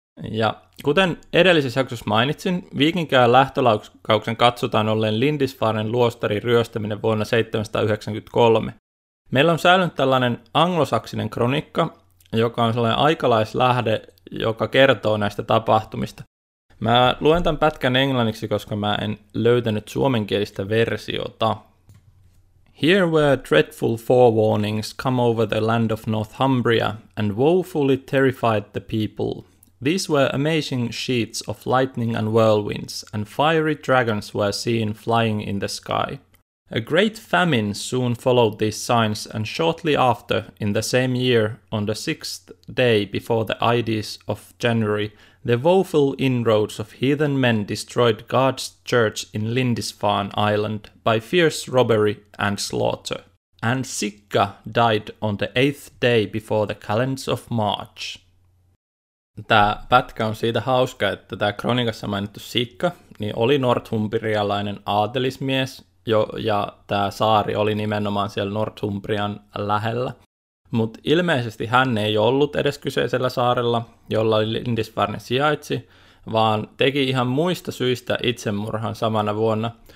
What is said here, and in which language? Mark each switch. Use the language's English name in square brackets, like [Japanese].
[Finnish] Ja kuten edellisessä jaksossa mainitsin, viikinkiajan lähtölaukauksen katsotaan olleen Lindisfarnen luostarin ryöstäminen vuonna 793. Meillä on säilynyt tällainen anglosaksinen kronikka, joka on sellainen aikalaislähde, joka kertoo näistä tapahtumista. Mä luen tämän pätkän englanniksi, koska mä en löytänyt suomenkielistä versiota. [English] Here were dreadful forewarnings come over the land of Northumbria and woefully terrified the people. These were amazing sheets of lightning and whirlwinds, and fiery dragons were seen flying in the sky. A great famine soon followed these signs, and shortly after, in the same year, on the sixth day before the Ides of January, the woeful inroads of heathen men destroyed God's church in Lindisfarne Island by fierce robbery and slaughter. And Sigga died on the eighth day before the calends of March. [Finnish] Tämä pätkä on siitä hauska, että tämä kronikassa mainittu Sikka niin oli northumbrialainen aatelismies ja tämä saari oli nimenomaan siellä Northumbrian lähellä. Mutta ilmeisesti hän ei ollut edes kyseisellä saarella, jolla Lindisfarne sijaitsi, vaan teki ihan muista syistä itsemurhan samana vuonna.